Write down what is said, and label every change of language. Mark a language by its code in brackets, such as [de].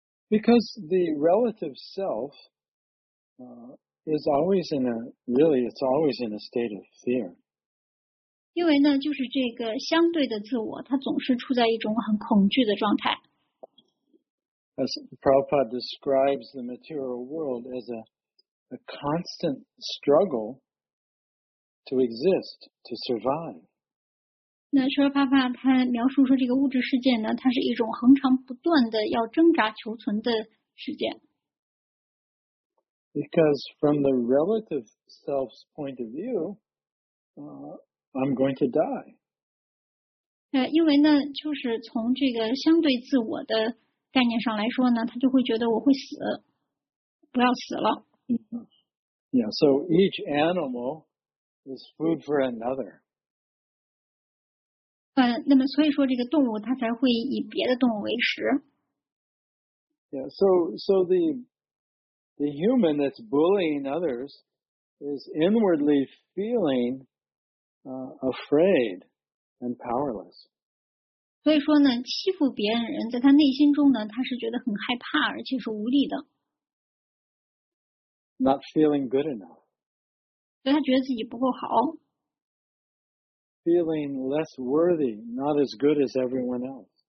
[en] Because the relative self is always in a, really, it's always in a state of fear. [zh] 因为呢，就是这个相对的自我，它总是处在一种很恐惧的状态。 [en] As Prabhupada describes the material world as a constant struggle to exist, to survive. [zh] 那说帕帕他描述说这个物质世界呢，它是一种恒常不断的要挣扎求存的世界。 [en] Because from the relative self's point of view, I'm going to die. [zh] 因为呢，就是从这个相对自我的概念上来说呢，他就会觉得我会死，不要死了。 [en] Yeah, so each animal is food for another. [zh] 那么所以说这个动物它才会以别的动物为食。 [en] Yeah, so the human that's bullying others is inwardly feeling afraid and powerless. [zh] 所以说呢，欺负别人人在他内心中呢，他是觉得很害怕，而且是无力的。 [en] not feeling good enough. [zh] 所以他觉得自己不够好。 [en] Feeling less worthy, not as good as everyone else.